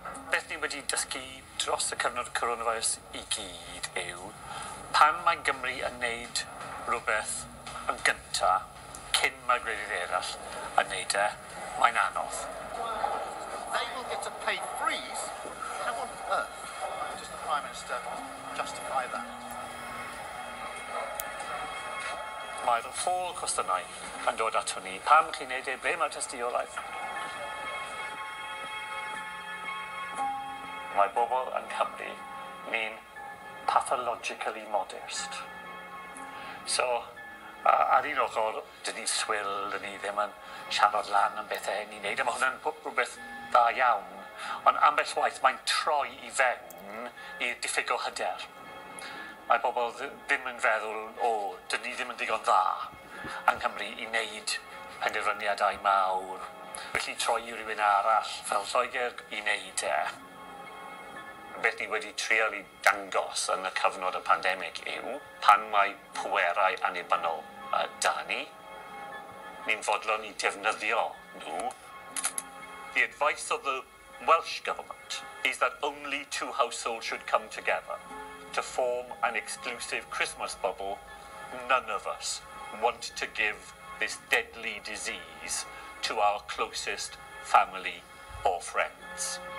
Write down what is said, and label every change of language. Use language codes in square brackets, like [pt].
[cy] Bethany wedi dysgu dros y cyfnod coronavirus I gyd yw pan mae Gymru yn neud rhywbeth yn gynta, cyn mae'r gwledydd eraill yn neud e, mae'n anodd. [en] They will get a pay freeze. How on earth does the Prime Minister justify that? [cy] Mae'r ffôl cwestiynau yn dod at hwnni. Pam chi'n neud e, ble mae'r testiolaeth? Mae bobl yn Cymru ni'n [en] pathologically modest. [cy] So, ar un ochr, dyn ni'n swil, dyn ni ddim yn siarad lan am bethau ni'n neud, a mae hwnna'n rhywbeth dda iawn. Ond ambell waith, mae'n troi I fewn i'r diffyg o hyder. Mae bobl ddim yn feddwl, o, dyn ni ddim yn digon dda yng Nghymru I wneud penderfyniadau mawr. Felly troi i rywun arall fel Lloegr I wneud e. Beth ni wedi trial I dangos yn y cyfnod y pandemig yw pan mae pwerau annibynnol da ni, ni'n fodlon I defnyddio nhw. [en] The advice of the Welsh Government is that only two households should come together to form an exclusive Christmas bubble. None of us want to give this deadly disease to our closest family or friends.